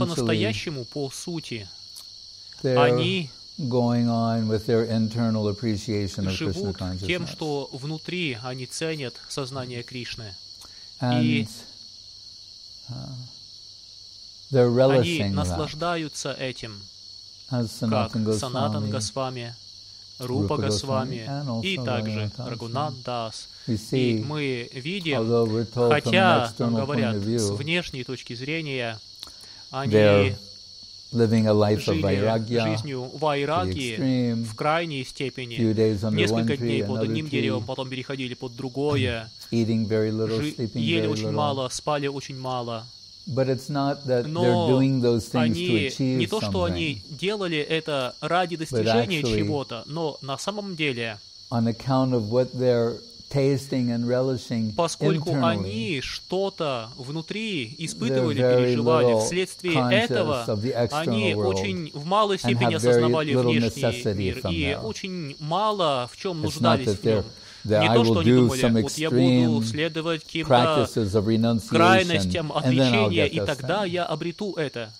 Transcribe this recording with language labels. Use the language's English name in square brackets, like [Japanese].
[Russian] по-настоящему, по сути, они [English] going on with their internal appreciation of Krishna consciousness. [Russian] Живут тем, что внутри они ценят сознание Кришны. [English] And, [Russian] they're relishing они наслаждаются этим, как Санатан Госвами, Рупа Госвами и также Рагунат Дас. И мы видим, хотя, нам говорят, с внешней точки зрения, они жили жизнью вайраги в крайней степени. Несколько дней под одним деревом, потом переходили под другое. Ели очень мало, спали очень мало. [English] But it's not that they're doing those things to achieve something. [Russian] Но не то, что они делали это ради достижения чего-то, но на самом деле, [English] on account of what they're tasting and relishing internally, [Russian] поскольку они что-то внутри испытывали, переживали, вследствие этого они очень в малой степени осознавали внешний мир и очень мало в чем нуждались в нем. [English] That [Russian] не [English] I [Russian] то, [English] will [Russian] что они думали, [English] some extreme [Russian] вот я буду следовать каким-то крайностям отречения, и тогда я обрету это.